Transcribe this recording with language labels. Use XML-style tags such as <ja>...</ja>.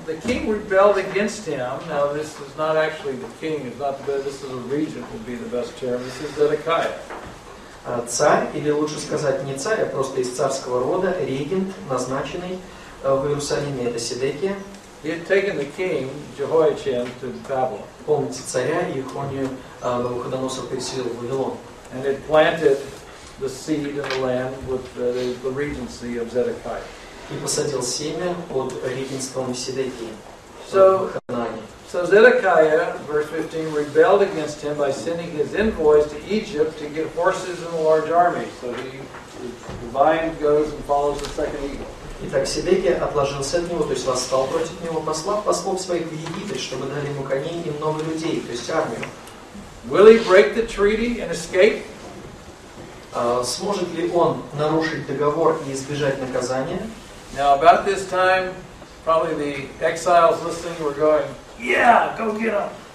<en>The king rebelled against him. Now, this is not actually the king. It's not the, this is a regent would be the best term. This is Zedekiah.</en> <ru>Царь, или лучше сказать не царь, а просто из царского рода, регент, назначенный в Иерусалиме, это Сидекия.</ru> <en>He had taken the king, Jehoiachin, to Babylon.</en> <ru>Помните, царя Иехонию Навуходоносор переселил в Вавилон.</ru> <en>And had planted the seed in the land with the regency of Zedekiah.</en> <ru>И посадил семя под регентством Сидекии.</ru> <en>So Zedekiah, verse 15, rebelled against him by sending his envoys to Egypt to get horses and a large army. So the lion goes and follows the second eagle.</en> <ru>Итак, Сидекия отложил сын от него, то есть восстал против него, послав послов своих в Египет, чтобы дали ему коней и много людей, то есть армию.</ru> <en>Will he break the treaty and escape?</en> <ru>Сможет ли он нарушить договор и избежать наказания?</ru> <en>Now about this time, probably the exiles listening were going, yeah, go get him.</en>